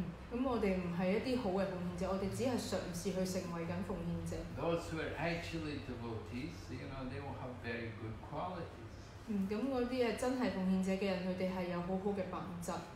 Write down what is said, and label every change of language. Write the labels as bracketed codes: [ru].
[yue] 我哋唔係一啲好嘅奉獻者，我哋只係嘗試去成為緊奉獻者。 [en] Those who are actually devotees, you know, they will have very good qualities. [yue] 嗰啲真係奉獻者嘅人，佢哋係有好好嘅品質。